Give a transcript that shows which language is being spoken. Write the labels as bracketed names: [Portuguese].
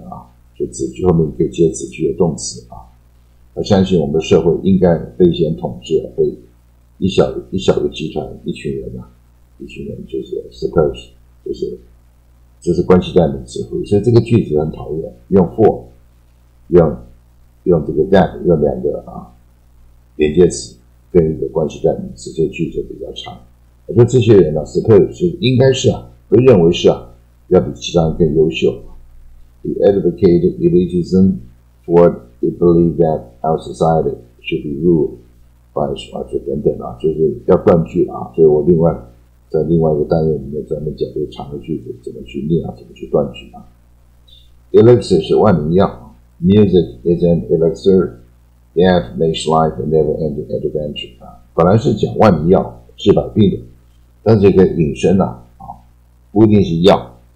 [Chinese] 啊，就子句后面可以接子句的动词啊，他相信我们的社会应该被先统治，被一小个集团、一群人啊，一群人就是 suppose， 就是关系代名词，所以这个句子很讨厌，用 for， 用这个 that， 用两个啊连接词跟一个关系代名词，这句子比较长。我觉得这些人呢、啊，史特鲁斯应该是啊，被认为是啊，要比其他人更优秀。 [English] He advocated elitism, for he believed that our society should be ruled by [Chinese] 啊，就等等啊，就是要断句了啊。所以我另外在另外一个单元里面专门讲这个长的句子怎么去念啊，怎么去断句啊。 [English] Elixir [Chinese] 是万能药 [English] ，Music is an elixir that makes life a never-ending adventure 啊。 [Chinese] 本来是讲万能药治百病的，但是一个引申呢 啊，不一定是药。